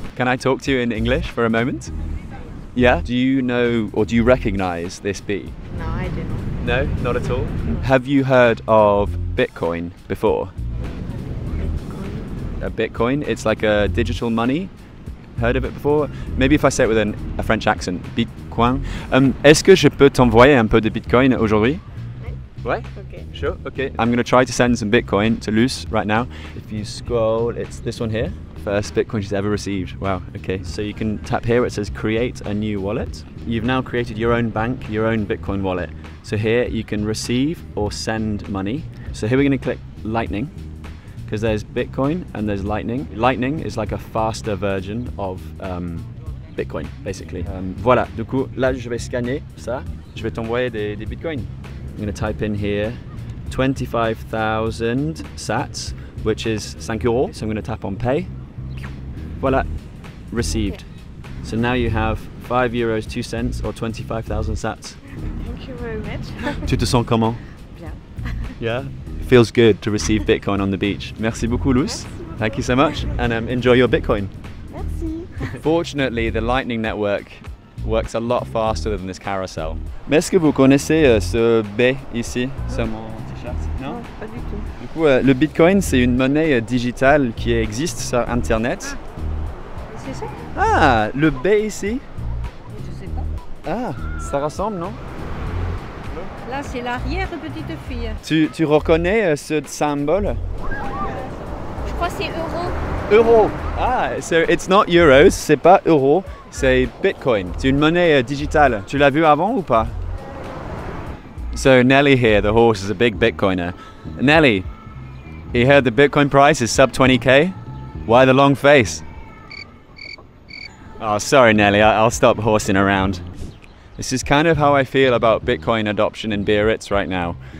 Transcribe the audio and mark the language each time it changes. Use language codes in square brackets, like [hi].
[en] Can I talk to you in English for a moment? Yeah? Do you know or do you recognize this bee? No, I don't. No, not at all? Have you heard of Bitcoin before? Bitcoin? A Bitcoin? It's like a digital money. Heard of it before? Maybe if I say it with a French accent. Bitcoin. [fr] Est-ce que je peux t'envoyer un peu de Bitcoin aujourd'hui? Ouais? [en] Okay. Sure, okay. I'm gonna try to send some Bitcoin to Luce right now. If you scroll, it's this one here. First Bitcoin she's ever received. Wow, okay. So you can tap here where it says create a new wallet. You've now created your own bank, your own Bitcoin wallet. So here you can receive or send money. So here we're gonna click Lightning. Because there's Bitcoin and there's Lightning. Lightning is like a faster version of Bitcoin, basically. [fr] Voilà, du coup, là je vais scanner ça. Je vais t'envoyer des Bitcoin. [en] I'm gonna type in here 25,000 sats, which is 5 euros. So I'm gonna tap on pay. Voilà, received. Okay. So now you have 5 euros, 2 cents or 25,000 sats. Thank you very much. [fr] Tu te sens comment? Bien. [en] Yeah? Feels good to receive Bitcoin on the beach. [fr] Merci beaucoup, Luce. Merci beaucoup. [en] Thank you so much, and enjoy your Bitcoin. [fr] Merci. [en] Fortunately, the Lightning network works a lot faster than this carousel. [fr] Est-ce que vous connaissez ce B ici sur mon t-shirt? Non, pas du tout. Du coup, le Bitcoin, c'est une monnaie digitale qui existe sur Internet. C'est ça? Ah, le B ici? Je sais pas. Ah, ça ressemble, non? Là, c'est l'arrière petite fille. Tu reconnais ce symbole? Je crois que c'est euro. Euro. [en] Ah, so it's not euros, [fr] c'est pas euro, c'est Bitcoin. C'est une monnaie digitale. Tu l'as vu avant ou pas? [en] So Nelly here, the horse, is a big Bitcoiner. Nelly, you heard the Bitcoin price is sub 20k? Why the long face? Oh, sorry Nelly, I'll stop horsing around. This is kind of how I feel about Bitcoin adoption in Biarritz right now.